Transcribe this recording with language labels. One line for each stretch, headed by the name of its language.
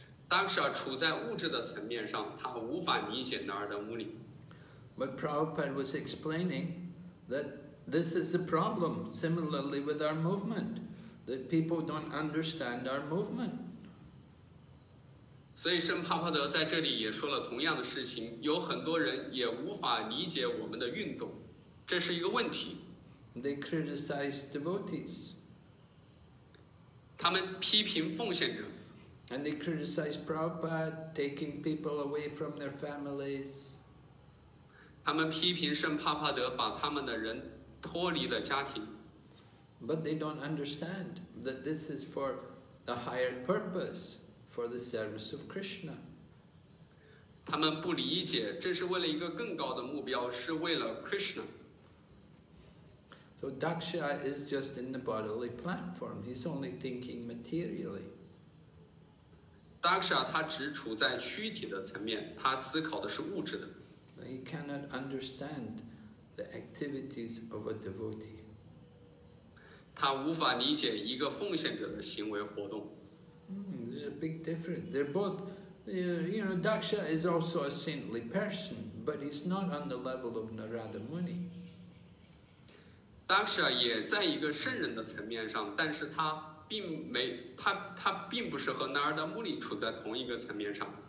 Chinese: Daksha 处在物质的层面上，他无法理解 Narada Muni.
English: But Prabhupada was explaining that. This is the problem, similarly with our movement, that people don't understand our movement.
Chinese: 所以圣帕帕德在这里也说了同样的事情，有很多人也无法理解我们的运动，这是一个问题。
English: They criticize devotees.
Chinese: 他们批评奉献者。
English: And they criticize Prabhupada taking people away from their families.
Chinese: 他们批评圣帕帕德把他们的人脱离了家庭。
English: But they don't understand that this is for a higher purpose, for the service of Krishna.
Chinese: 他们不理解，这是为了一个更高的目标，是为了 Krishna.
English: So Daksha is just in the bodily platform. He's only thinking materially.
Chinese: Daksha 他只处在躯体的层面，他思考的是物质的。
English: He cannot understand. The activities of a devotee.
Chinese: 他无法理解一个奉献者的行为活动。
English: There's a big difference. They're both, you know, Daksha is also a saintly person, but he's not on the level of Narada Muni.
Chinese: Daksha 也在一个圣人的层面上，但是他并没他并不是和 Narada Muni 处在同一个层面上。